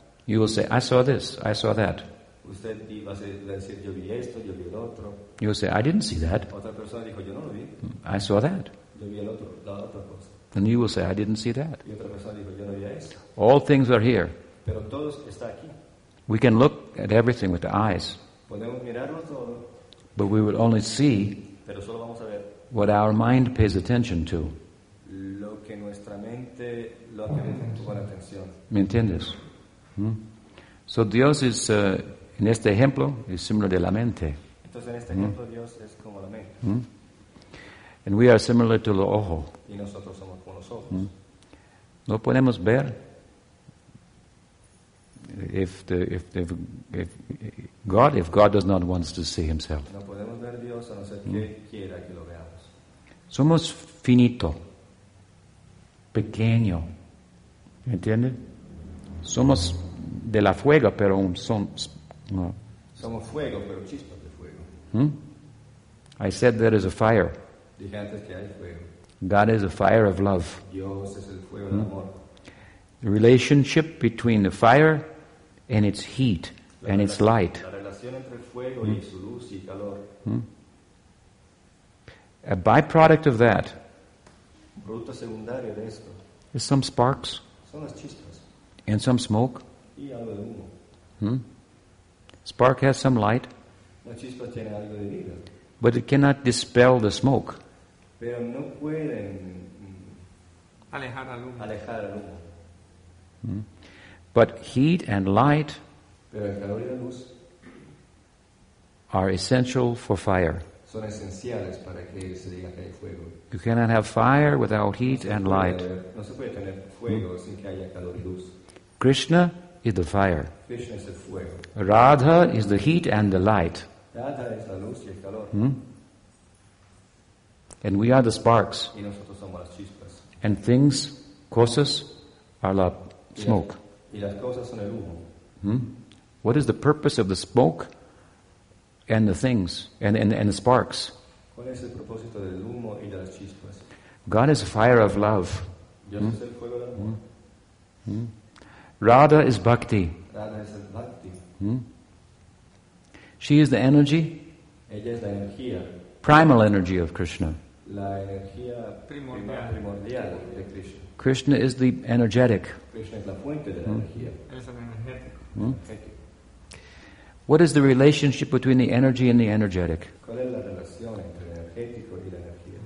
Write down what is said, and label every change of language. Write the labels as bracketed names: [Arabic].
[English] You will say, I saw this, I saw that. [Spanish] Usted iba a decir, yo vi esto, yo vi el otro. [English] You will say, I didn't see that. [Spanish] Otra persona dijo, yo no lo vi. [English] I saw that. [Spanish] Yo vi el otro, la otra cosa. [English] And you will say, I didn't see that. [Spanish] Y otra persona dijo, yo no vi esto. [English] All things are here. [Spanish] Pero todo está aquí. [English] We can look at everything with the eyes. [Spanish] Podemos mirarlo todo. [English] But we will only see, [Spanish] pero solo vamos a ver, [English] what our mind pays attention to. [Spanish] Lo que nuestra mente lo hace con atención. ¿Me entiendes? [English] So [Spanish] Dios is en este ejemplo es similar de la mente. Entonces en este ejemplo Dios es como la mente. [English] And we are similar to the [Spanish] ojo. Y nosotros somos como los ojos. No podemos ver. [English] If God does not want us to see himself. [Spanish] No podemos ver Dios a no ser que quiera que lo veamos. Somos finito. Pequeño. ¿Me entiende? Somos de la fuego, pero somos fuego, pero chispas de fuego. [English] I said there is a fire. [Spanish] Dije antes que hay fuego. [English] God is a fire of love. [Spanish] Dios es el fuego del amor. [English] The relationship between the fire and its heat and its light. [Spanish] La relación entre el fuego y su luz y calor. [English] A byproduct of that [Spanish] producto secundario de esto [English] is some sparks. [Spanish] Son las chispas. [English] And some smoke. [Spanish] Y algo de humo. [English] Spark has some light. [Spanish] La chispa tiene algo de vida. [English] But it cannot dispel the smoke. [Spanish] Pero no pueden alejar al humo. Alejar al humo. [English] But heat and light [Spanish] pero el calor y la luz [English] are essential for fire. [Spanish] Son esenciales para que se diga que hay fuego. [English] You cannot have fire without heat and light. [Spanish] No se puede tener fuego sin que haya calor y luz. [English] Krishna is the fire. [Spanish] Krishna es el fuego. [English] Radha is the heat and the light. [Spanish] Radha es la luz y el calor. [English] And we are the sparks. [Spanish] Y nosotros somos las chispas. [English] And things, causes, are [Spanish] la [English] smoke. [Spanish] Y las cosas son el humo. [English] What is the purpose of the smoke and the things and the sparks? [Spanish] ¿Cuál es el propósito del humo y de las chispas? [English] God is a fire of love. [Spanish] Dios es el fuego del amor. [English] Radha is bhakti. [Spanish] Radha es el bhakti. [English] She is the energy. [Spanish] Ella es la energía. [English] Primal energy of Krishna. [Spanish] La energía primordial de Krishna. [English] Krishna is the energetic. [Spanish] Krishna es la fuente de la energía. [English] What is the relationship between the energy and the energetic? [Spanish] ¿Cuál es la relación entre el energético y la energía?